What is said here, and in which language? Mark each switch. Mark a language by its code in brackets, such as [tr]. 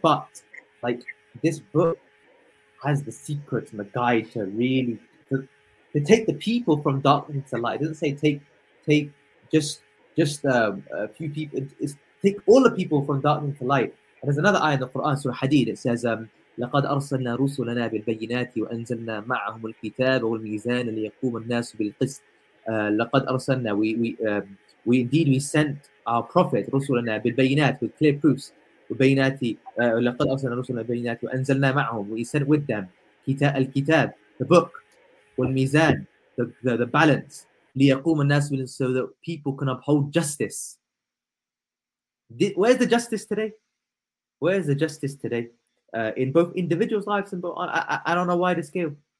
[en] But like, this book has the secrets and the guide to really to take the people from darkness to light. It doesn't say take just a few people. It's take all the people from darkness to light. And there's another ayah in the Quran, Surah Hadid. It says, [ar] لقد أرسلنا رسلنا بالبينات وأنزلنا معهم الكتاب والميزان ليقوم الناس بالقسط. لقد أرسلنا. [en] We sent our prophet [ar] رسلنا بالبينات, [en] with clear proofs. [ar] لقد أرسلنا رسلنا بالبينات وأنزلنا معهم. [en] We sent with them الكتاب, the book, والميزان, the balance. [ar] ليقوم الناس بالقسط, [en] so that people can uphold justice. Where's the justice today? Where's the justice today? In both individuals' lives and both on a wider scale.